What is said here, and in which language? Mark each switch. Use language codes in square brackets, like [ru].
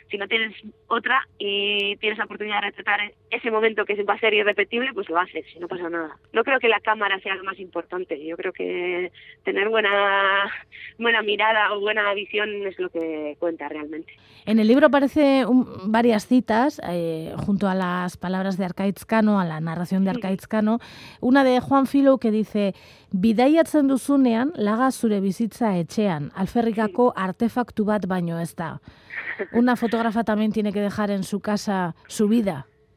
[es] Si no tienes otra y tienes la oportunidad de retratar ese momento que va a ser irrepetible, pues lo haces y no pasa nada. No creo que la cámara sea lo más importante. Yo creo que tener buena mirada o buena visión es lo que cuenta realmente. En el libro aparecen varias citas junto a las palabras de Arkaitz Cano, a la narración de Arkaitz Cano, una de Juan Filho que dice: [eu] bidaiatzen duzunean laga zure bizitza etxean, alferrikako artefaktu bat baino ez da. [es] Una fotógrafa también tiene que dejar en su casa su vida.